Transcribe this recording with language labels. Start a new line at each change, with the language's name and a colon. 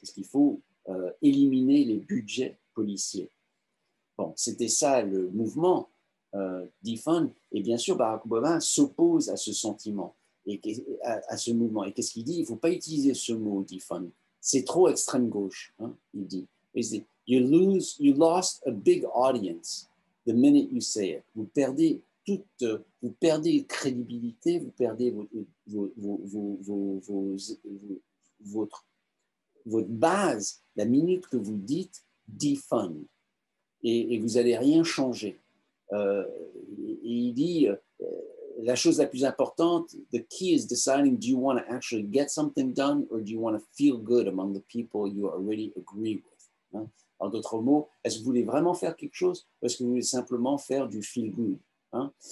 French: Est-ce qu'il faut éliminer les budgets policiers? Bon, c'était ça le mouvement defund. Et bien sûr, Barack Obama s'oppose à ce sentiment et à ce mouvement. Et qu'est-ce qu'il dit? Il ne faut pas utiliser ce mot defund. C'est trop extrême gauche, hein, il dit.
English: You lost a big audience the minute you say it.
French: Vous perdez crédibilité, vous perdez votre base la minute que vous dites defund, et vous allez rien changer. Il dit la chose la plus importante,
English: the key is deciding, do you want to actually get something done or do you want to feel good among the people you already agree with?
French: Hein? En d'autres mots, est-ce que vous voulez vraiment faire quelque chose ou est-ce que vous voulez simplement faire du feel good? Hein?